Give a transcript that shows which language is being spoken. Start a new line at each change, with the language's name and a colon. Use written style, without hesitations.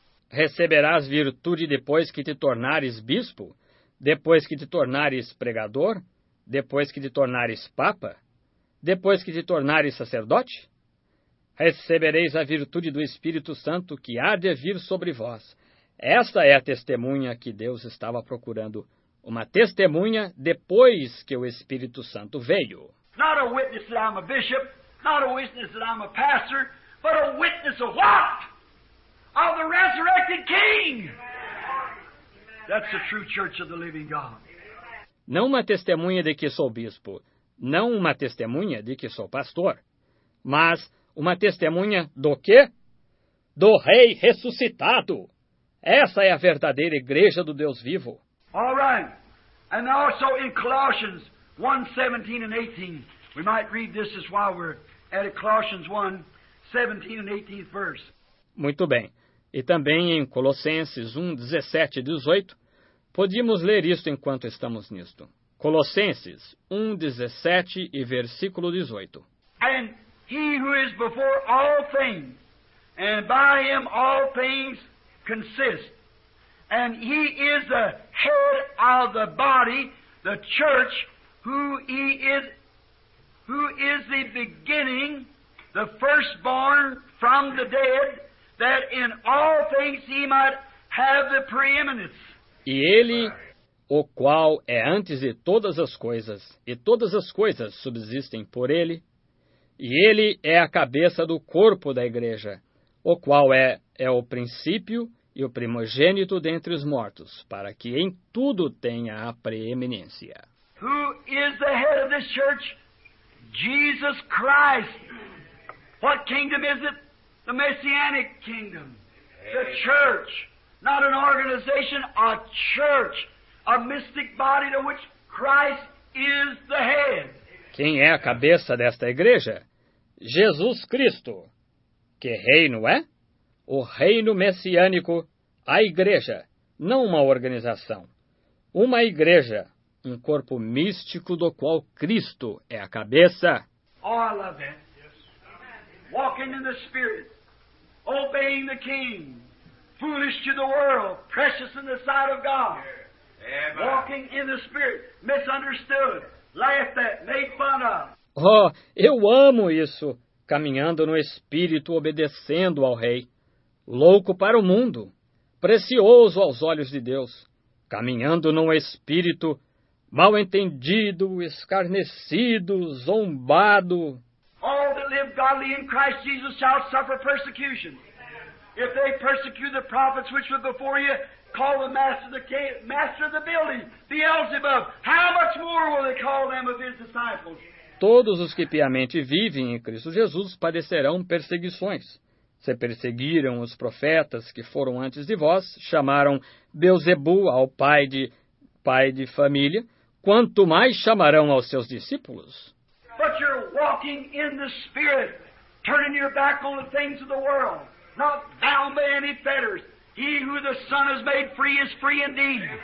Portuguese: Receberás virtude depois que te tornares bispo? Depois que te tornares pregador? Depois que te tornares papa? Depois que te tornares sacerdote? Recebereis a virtude do Espírito Santo que há de vir sobre vós. Esta é a testemunha que Deus estava procurando, uma testemunha depois que o Espírito Santo veio.
English: Not a witness that I'm a bishop, not a witness that I'm a pastor, but a witness of what? Of the resurrected King. That's the true church of the living God.
Portuguese: Não uma testemunha de que sou bispo, não uma testemunha de que sou pastor, mas uma testemunha do quê? Do rei ressuscitado. Essa é a verdadeira igreja do Deus vivo.
English: All right. And also in Colossians 1:17 and 18, we might read this as while we're at Colossians 1:17 and 18th verse.
Portuguese: Muito bem. E também em Colossenses 1:17 e 18, podíamos ler isto enquanto estamos nisto. Colossenses 1:17 e versículo 18.
English: And he who is before all things, and by him all things consist, and he is the head of the body, the church, who is the beginning, the firstborn from the dead, that in all things he might have the preeminence.
Portuguese: E ele, o qual é antes de todas as coisas, e todas as coisas subsistem por ele, e ele é a cabeça do corpo da igreja, o qual é o princípio e o primogênito dentre os mortos, para que em tudo tenha a preeminência.
English: Who is the head of this church? Jesus Christ. What kingdom is it? The messianic kingdom. The church. Not an organization, a church. A mystic body to which Christ is the head.
Portuguese: Quem é a cabeça desta igreja? Jesus Cristo. Que reino é? O reino messiânico, a igreja, não uma organização. Uma igreja, um corpo místico do qual Cristo é a cabeça.
English: Oh, I love that. Walking in the Spirit, obeying the King, foolish to the world, precious in the sight of God. Walking in the Spirit, misunderstood, laughed at, made fun of.
Portuguese: Oh, eu amo isso. Caminhando no Espírito, obedecendo ao Rei. Louco para o mundo, precioso aos olhos de Deus. Caminhando no Espírito, mal entendido, escarnecido, zombado.
English: All that live godly in Christ Jesus shall suffer persecution. If they persecute the prophets which were before you, call the master of the building, Beelzebub. How much more will they call them of his disciples?
Portuguese: Todos os que piamente vivem em Cristo Jesus padecerão perseguições. Se perseguiram os profetas que foram antes de vós, chamaram Beelzebu ao pai de família, quanto mais chamarão aos seus discípulos?
English: But you're walking in the Spirit, turning your back on the things of the world, not bound by any fetters. He who the Son has made free is free indeed.